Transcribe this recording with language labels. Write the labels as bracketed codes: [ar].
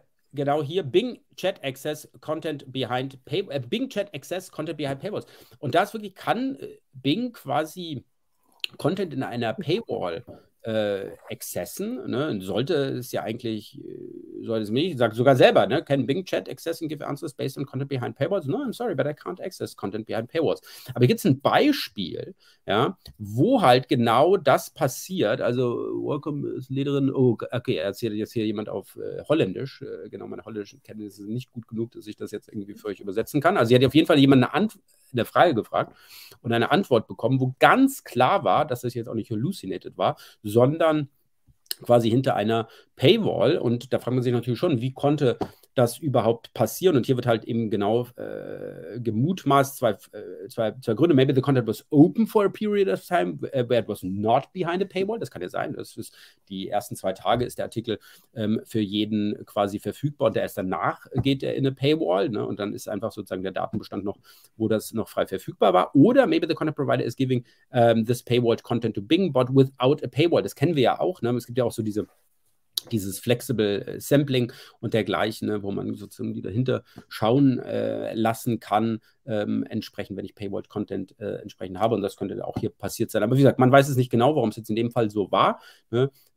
[de] Genau hier: [en] Bing Chat Access Content Behind Paywalls. [de] Und das wirklich kann Bing quasi Content in einer Paywall accessen. Ne? Sollte es ja eigentlich, sollte es nicht, sagt sogar selber: ne? [en] Can Bing Chat Access and give answers based on Content Behind Paywalls? No, I'm sorry, but I can't access Content Behind Paywalls. [de] Aber gibt es ein Beispiel, ja, wo halt genau das passiert? Also, welcome, ist Lederin. Oh, okay, erzählt jetzt hier jemand auf Holländisch. Genau, meine holländischen Kenntnisse sind nicht gut genug, dass ich das jetzt irgendwie für euch übersetzen kann. Also, sie hat auf jeden Fall jemand eine Frage gefragt und eine Antwort bekommen, wo ganz klar war, dass das jetzt auch nicht hallucinated war, sondern quasi hinter einer Paywall. Und da fragt man sich natürlich schon, wie konnte das überhaupt passieren? Und hier wird halt eben genau gemutmaßt, zwei Gründe. [en] Maybe the content was open for a period of time, where it was not behind a paywall. [de] Das kann ja sein. Das ist die ersten 2 Tage ist der Artikel für jeden quasi verfügbar. Und erst danach geht er in eine Paywall. Ne? Und dann ist einfach sozusagen der Datenbestand noch, wo das noch frei verfügbar war. [en] Oder maybe the content provider is giving this paywalled content to Bing, but without a paywall. [de] Das kennen wir ja auch. Ne? Es gibt ja auch so dieses Flexible Sampling und dergleichen, ne, wo man sozusagen die dahinter schauen lassen kann, entsprechend, wenn ich Paywall Content entsprechend habe. Und das könnte auch hier passiert sein. Aber wie gesagt, man weiß es nicht genau, warum es jetzt in dem Fall so war. Ne?